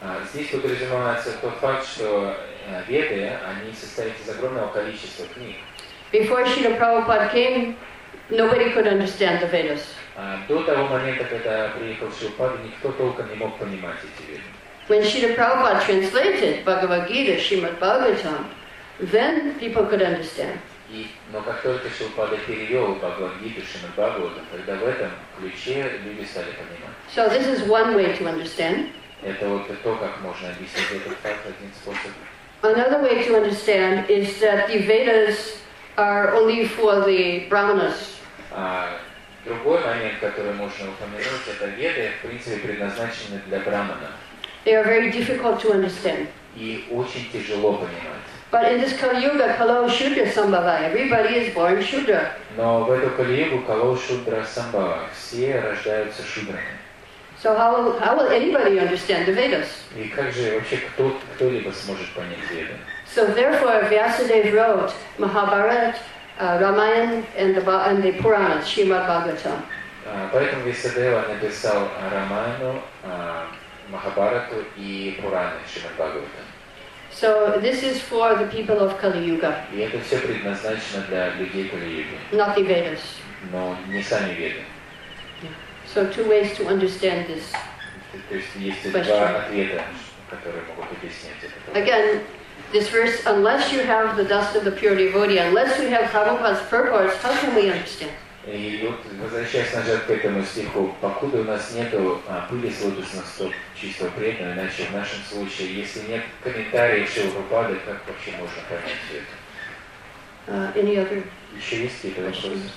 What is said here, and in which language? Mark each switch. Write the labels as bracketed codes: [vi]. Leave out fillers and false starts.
[ru] Здесь подразумевается тот факт, что Веды, они состоят из огромного количества книг. [en] Before Srila Prabhupada came, nobody could understand the Vedas. [ru] До того момента, когда приехал Шилпада, никто толком не мог понимать эти веды. [en] When Srila Prabhupada translated Bhagavad Gita, Srimad Bhagavatam, then people could understand. [ru] Но как только Шилпада перевел Бхагавад Гиту, Шримад Бхагаватам, тогда в этом ключе люди стали понимать. [en] So this is one way to understand. [ru] Это вот то, как можно объяснить этот факт один способ. [en] Another way to understand is that the Vedas are only for the Brahmanas. [ru] Другой момент, который можно упомянуть, это веды, в принципе, предназначены для брахмана. [en] They are very difficult to understand. [ru] И очень тяжело понимать. [en] But in this Kali-Yuga, Kalau-Shudra Sambhava, everybody is born Shudra. [ru] Но в эту Кали-Югу, Kalau-Shudra Sambhava, все рождаются Шудрами. [en] So how will anybody understand the Vedas? [ru] И как же вообще кто-либо сможет понять веды? [en] So therefore, Vyasadeva wrote Mahabharata, Ramayana and the Puranas, Srimad Bhagavatam. [ru] Поэтому Висадева написал Рамаяну, Махабарату и Пураны, Шримад Бхагаватам. [en] So this is for the people of Kali Yuga. [ru] И это все предназначено для людей Кали Юги. [en] Not the Vedas. [ru] Но не сами Веды. Yeah. [en] So two ways to understand this. [ru] То есть есть два ответа, которые могут объяснить это. [en] Again. This verse, unless you have the dust of the pure devotee, unless you have Prabhupada's purports, how can we understand? [ru] И вот возвращаясь назад к этому стиху, покуда у нас нету пыли с лотосных стоп чистого преданного, иначе в нашем случае, если нет комментариев Шрилы Прабхупады, как вообще можно понять все это? [en] Any other? [ru] Еще есть какие-то вопросы?